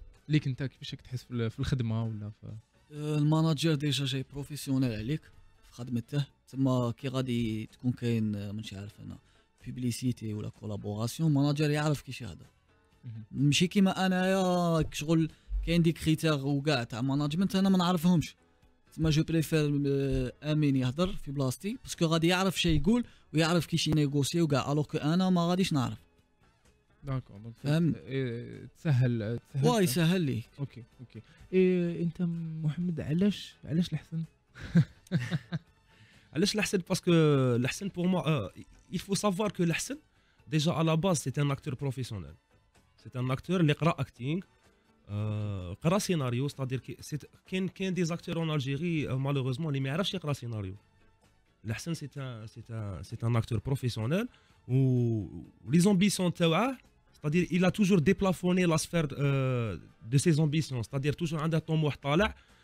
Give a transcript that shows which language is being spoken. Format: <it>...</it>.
<fr>Comment tu as fait le travail? Le manager déjà est professionnel avec</fr> <ar>خدمته تما كي غادي تكون كاين ماشي عارف انا بوبليسيتي ولا كولابوراسيون ماناجر يعرف كيش هذا ماشي كيما انايا كشغل كاين دي كريتير وكاع تاع ماناجمنت انا ما نعرفهمش تما جو بريفير امين يهضر في بلاصتي باسكو غادي يعرف شي يقول ويعرف كيش ينيغوسي وكاع الوغ كو انا ما غاديش نعرف داكو تسهل واي سهل لي اوكي اوكي إيه انت محمد علاش الحسن</ar> <fr>علاش الحسن باسكو الحسن pour moi il faut savoir que الحسن déjà à la base c'est un acteur professionnel c'est un acteur</fr> <ar>اللي قرا</ar> <fr>acting قرا سيناريو c'est-à-dire que c'est كاين des acteurs en Algérie malheureusement</fr> <ar>اللي ما يعرفش يقرا سيناريو</ar> <fr>الحسن c'est un acteur professionnel où les ambitions تاعو c'est-à-dire il a toujours déplafonné la sphère de ses ambitions c'est-à-dire toujours</fr> <ar>عنده طموح طالع</ar>